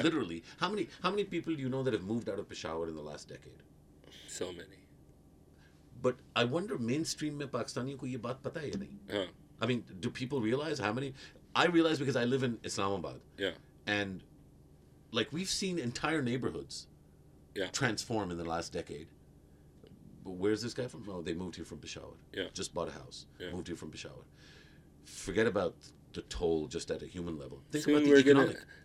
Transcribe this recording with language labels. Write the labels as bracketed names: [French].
[English] literally, how many people do you know that have moved out of Peshawar in the last decade? So many. But I wonder, [Urdu] mainstream میں پاکستانیوں کو یہ بات پتا ہے یا نہیں؟ [English] I mean, do people realize how many? I realize because I live in Islamabad. Yeah. And, like, we've seen entire neighborhoods yeah. transform in the last decade. But where's this guy from? Oh, they moved here from Peshawar. Yeah. Just bought a house. Yeah. Moved here from Peshawar. Forget about the toll just at a human level. Think soon about the economic.